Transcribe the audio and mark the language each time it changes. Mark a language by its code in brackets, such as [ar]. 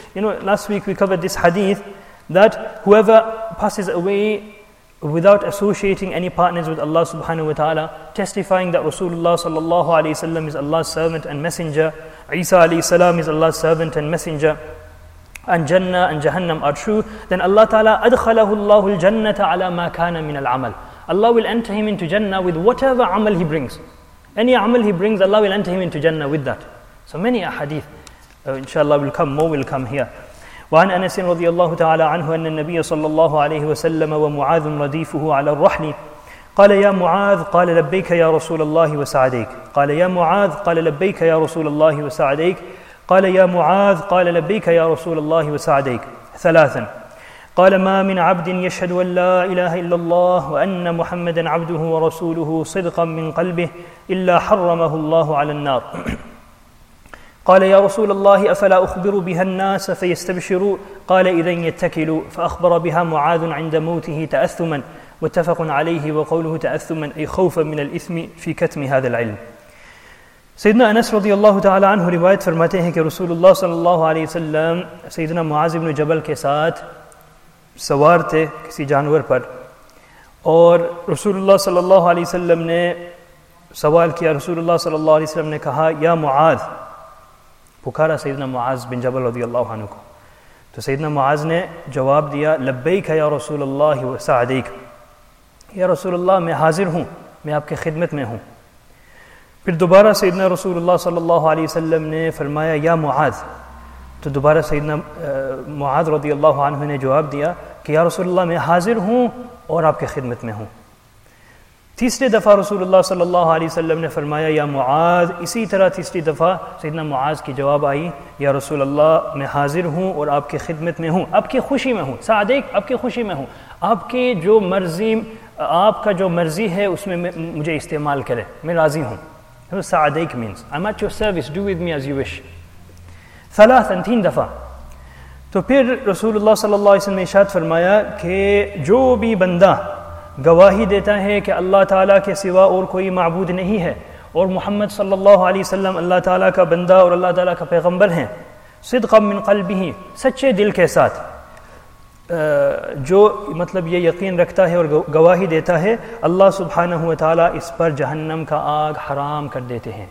[en] You know, last week we covered this hadith, that whoever passes away without associating any partners with Allah subhanahu wa ta'ala, testifying that Rasulullah sallallahu alayhi wa sallam is Allah's servant and messenger, Isa alayhi salam is Allah's servant and messenger, and Jannah and Jahannam are true, then Allah ta'ala, [ar] أَدْخَلَهُ اللَّهُ الْجَنَّةَ عَلَى مَا كَانَ مِنَ الْعَمَلِ. [en] Allah will enter him into Jannah with whatever amal he brings. Any amal he brings, Allah will enter him into Jannah with that. So many ahadith, inshallah, will come, more will come here. [ar] وعن أنس رضي الله تعالى عنه أن النبي صلى الله عليه وسلم ومعاذ رديفه على الرحل قال يا معاذ قال لبيك يا رسول الله وسعديك قال يا معاذ قال لبيك يا رسول الله وسعديك قال يا معاذ قال لبيك يا رسول الله وسعديك ثلاثا قال ما من عبد يشهد أن لا إله إلا الله وأن محمدا عبده ورسوله صدقا من قلبه إلا حرمه الله على النار قال يا رسول الله أفلا أخبر بها الناس فيستبشروا قال إذن يتكلوا فأخبر بها معاذ عند موته تأثما متفق عليه وقوله تأثما أي خوفا من الإثم في كتم هذا العلم. [ur] سيدنا أنس رضي الله تعالى عنه روايت فرماتے ہیں کہ رسول الله صلى الله عليه وسلم سيدنا معاذ بن جبل کے ساتھ سوار تھے کسی جانور پر, اور رسول الله صلى الله عليه وسلم نے سوال کیا, رسول الله صلى الله عليه وسلم نے کہا يا معاذ, پکارا سیدنا معاذ بن جبل رضی اللہ عنہ کو, تو سیدنا معاذ نے جواب دیا [ar] لبیک یا رسول اللہ وسعدیک, [ur] یا رسول اللہ میں حاضر ہوں, میں آپ کے خدمت میں ہوں. پھر دوبارہ سیدنا رسول اللہ صلی اللہ علیہ وسلم نے فرمایا یا معاذ, تو دوبارہ سیدنا معاذ رضی اللہ عنہ نے جواب دیا کہ یا رسول اللہ میں حاضر ہوں اور آپ کے خدمت میں ہوں. تیسری دفعہ رسول اللہ صلی اللہ علیہ وسلم نے فرمایا یا معاذ, اسی طرح تیسری دفعہ سیدنا معاذ کی جواب آئی یا رسول اللہ میں حاضر ہوں اور آپ کی خدمت میں ہوں, آپ کی خوشی میں ہوں, سعدیک آپ کی خوشی میں ہوں, آپ کی جو مرضی, آپ کا جو مرضی ہے اس میں مجھے استعمال کرے, میں راضی ہوں. [en] سعدیک means I'm at your service, do with me as you wish. [ur] ثلاثا, تین دفعہ. تو پھر رسول اللہ صلی اللہ علیہ وسلم نے ارشاد فرمایا کہ جو بھی بندہ گواہی دیتا ہے کہ اللہ تعالیٰ کے سوا اور کوئی معبود نہیں ہے اور محمد صلی اللہ علیہ وسلم اللہ تعالیٰ کا بندہ اور اللہ تعالیٰ کا پیغمبر ہیں, [ar] صدقا من قلبہ, [ur] سچے دل کے ساتھ, جو مطلب یہ یقین رکھتا ہے اور گواہی دیتا ہے, اللہ سبحانہ وتعالیٰ اس پر جہنم کا آگ حرام کر دیتے ہیں.